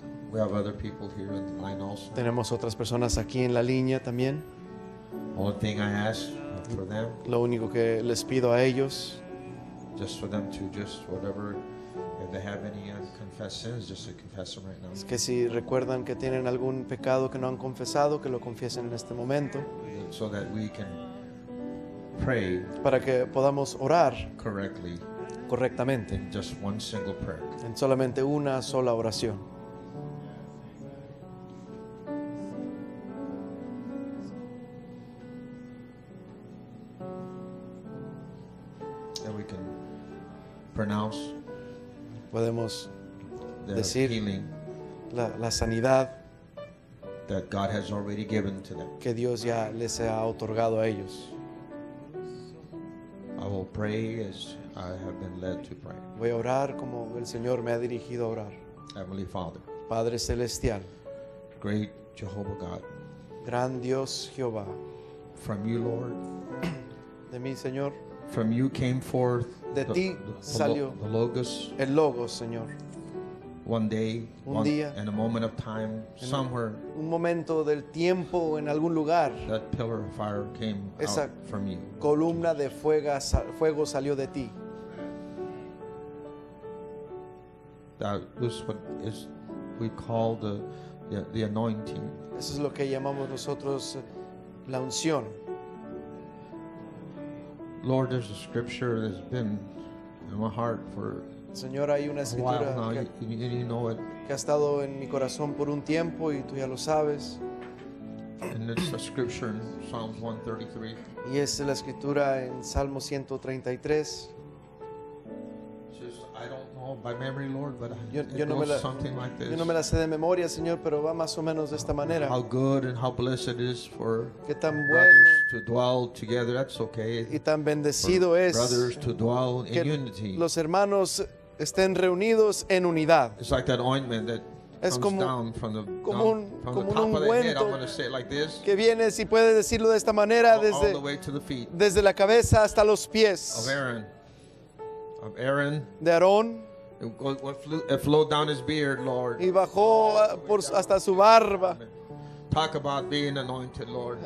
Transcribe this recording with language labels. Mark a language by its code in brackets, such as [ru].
[en] We have other people here in the line also. [es] Tenemos otras personas aquí en la línea también. [en] Only thing I ask for them. [es] Lo único que les pido a ellos. [en] Just for them to just whatever. If they have any unconfessed sins, just to confess them right now. [es] Es que si recuerdan que tienen algún pecado que no han confesado, que lo confiesen en este momento. [en] So that we can pray. [es] Para que podamos orar. [en] Correctly. [es] Correctamente. [en] In just one single prayer. [es] En solamente una sola oración. [en] And we can pronounce. [es] Podemos decir la sanidad [en] that God has already given to them. [es] Que Dios ya les ha otorgado a ellos. [en] I will pray as I have been led to pray. [es] Voy a orar como el Señor me ha dirigido a orar. [en] Heavenly Father, [es] Padre Celestial, [en] Great Jehovah God, [es] Gran Dios Jehová, [en] from you, Lord, [es] de mí, Señor, [en] from you came forth [es] de ti salió [en] the Logos, [es] el Logos, Señor. [en] One day, [es] un día, [en] in a moment of time, somewhere, [es] un momento del tiempo, en algún lugar, [en] that pillar of fire came [es] esa [en] out from you. [es] Columna de fuego salió de ti. [en] That is what is we call the anointing. [es] Eso es lo que llamamos nosotros la unción. [en] Lord, there's a scripture that's been in my heart for [es] Señor, hay una escritura [en] a while now, you know it. [es] Que ha estado en mi corazón por un tiempo y tú ya lo sabes. [en] And it's a scripture in Psalms 133. [es] Y es la escritura en Salmo 133. [en] Just, I don't know by memory, Lord, but [es] yo [en] know something like this. [es] Yo no me la sé de memoria, Señor, pero va más o menos de esta manera. [en] How good and how blessed it is for brothers to dwell together. That's okay. [es] Y tan bendecido es [en] brothers to dwell in unity. [es] Los hermanos estén reunidos en unidad. [en] It's like that ointment that [es] es [en] comes down from the top of the head. I'm going to say it like this. [es] Que viene, si puede decirlo de esta manera, [en] all the way to the feet. [es] Desde la cabeza hasta los pies. [en] Of Aaron. [es] De Aarón. [en] It flowed down his beard, Lord. [es] Y bajó hasta su barba. [en] Talk about being anointed, Lord.